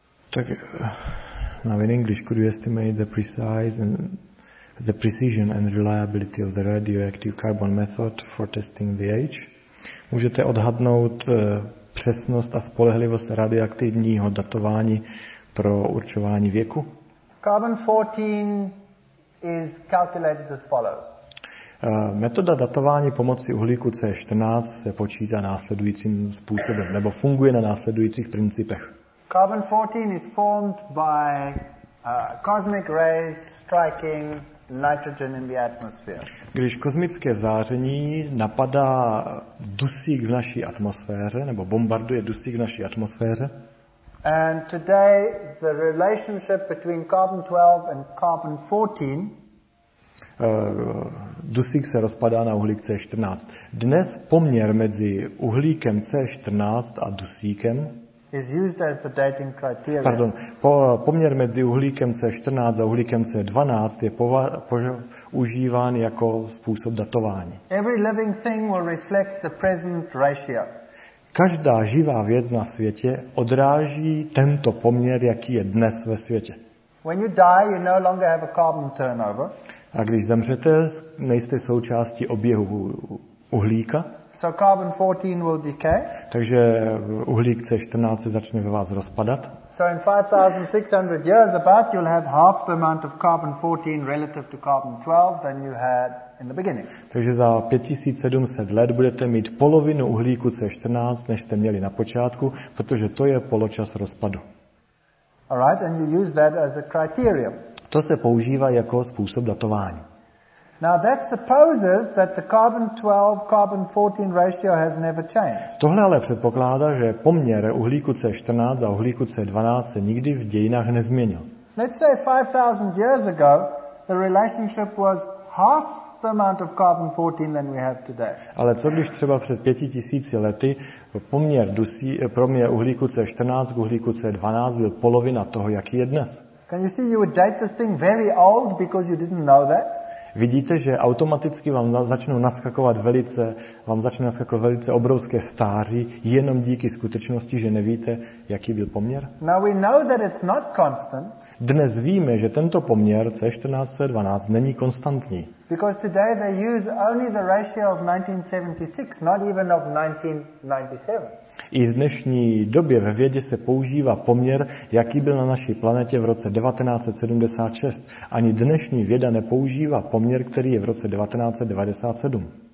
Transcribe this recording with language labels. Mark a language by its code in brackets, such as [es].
[en] Tak now in English, could you estimate the precision and reliability of the radioactive carbon method for testing the age? [cs] Můžete odhadnout přesnost a spolehlivost radioaktivního datování pro určování věku? [en] Carbon 14 is calculated as follows. [cs] Metoda datování pomocí uhlíku C14 se počítá následujícím způsobem nebo funguje na následujících principech. [en] Carbon 14 is formed by cosmic rays striking nitrogen in the atmosphere. [cs] Když kosmické záření napadá dusík v naší atmosféře nebo bombarduje dusík v naší atmosféře. [en] And today the relationship between carbon 12 and carbon 14 [cs] dusík se rozpadá na uhlík C14. Dnes poměr mezi uhlíkem C14 a dusíkem [en] is used as the dating criteria. [cs] Pardon, poměr mezi uhlíkem C14 a uhlíkem C12 je používán jako způsob datování. [en] Every living thing will reflect the present ratio. [cs] Každá živá věc na světě odráží tento poměr, jaký je dnes ve světě. [en] When you die, you no longer have a carbon turnover. [cs] A když zemřete, nejste součástí oběhu uhlíka. [en] So carbon 14 will decay. [cs] Takže uhlík C14 začne ve vás rozpadat. [en] So in 5600 years about you'll have half the amount of carbon 14 relative to carbon 12 than you had in the beginning. [cs] Takže za 5700 let budete mít polovinu uhlíku C14, než jste měli na počátku, protože to je poločas rozpadu. [en] All right, and you use that as a criterion. [cs] To se používá jako způsob datování. [en] Now that supposes that the carbon 12 carbon 14 ratio has never changed. [cs] Tohle ale předpokládá, že poměr uhlíku C14 a uhlíku C12 se nikdy v dějinách nezměnil. [en] Let's say 5000 years ago the relationship was half the amount of carbon 14 than we have today. [cs] Ale co když třeba před 5000 lety poměr uhlíku C14 k uhlíku C12 byl polovina toho, jaký je dnes? [en] Can you see you would date this thing very old because you didn't know that? [cs] vidíte, že automaticky vám začnou naskakovat velice, obrovské stáří jenom díky skutečnosti, že nevíte, jaký byl poměr? [en] Now we know that it's not constant. [cs] Dnes víme, že tento poměr C14C12 není konstantní. [en] Because today they use only the ratio of 1976, not even of 1997. [cs] I v dnešní době ve vědě se používá poměr, jaký byl na naší planetě v roce 1976. Ani dnešní věda nepoužívá poměr, který je v roce 1997.